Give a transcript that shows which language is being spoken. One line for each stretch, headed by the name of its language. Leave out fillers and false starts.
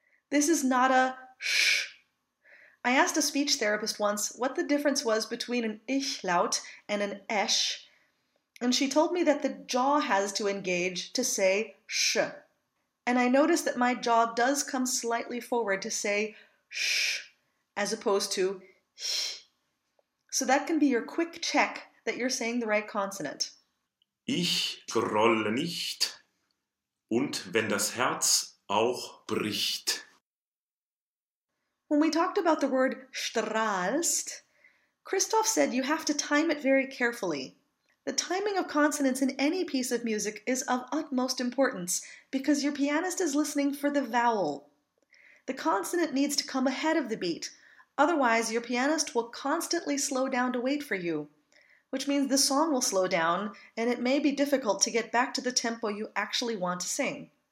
English: This is not a sh. I asked a speech therapist once what the difference was between an ichlaut and an esh, and she told me that the jaw has to engage to say sh. And I noticed that my jaw does come slightly forward to say sh, as opposed to h. So that can be your quick check that you're saying the right consonant.
German: Ich grolle nicht. Und wenn das Herz auch bricht.
English: When we talked about the word strahlst, Christoph said you have to time it very carefully. The timing of consonants in any piece of music is of utmost importance because your pianist is listening for the vowel. The consonant needs to come ahead of the beat, otherwise your pianist will constantly slow down to wait for you, which means the song will slow down, and it may be difficult to get back to the tempo you actually want to sing.